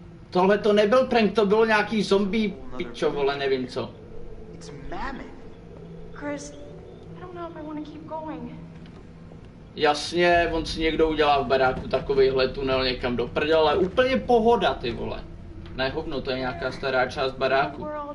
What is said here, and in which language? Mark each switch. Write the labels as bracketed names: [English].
[Czech] Tohle to nebyl prank, to bylo nějaký zombie pičo, vole, nevím co. [English] It's mammoth. Chris, I don't know if I want to keep going. [Czech] Jasně, on si někdo udělá v baráku takovýhle tunel někam do prdele. Úplně pohoda, ty vole. Ne, hovno, to je nějaká stará část baráku.